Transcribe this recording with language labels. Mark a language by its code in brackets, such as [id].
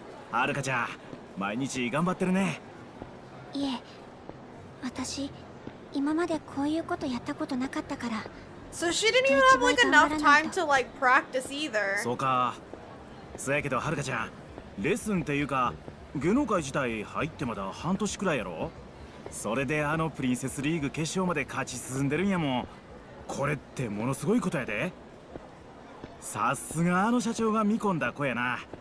[ja] はるかちゃん、毎日頑張ってるね。いえ、私、今までこういうことやったことなかったから。 [en] So she didn't even have like enough time to like practice either. [ja] そうか。そやけど、はるかちゃん、レッスンっていうか、芸能界自体入ってまだ半年くらいやろ？それであのプリンセスリーグ決勝まで勝ち進んでるんやもん。これってものすごいことやで。さすがあの社長が見込んだ子やな。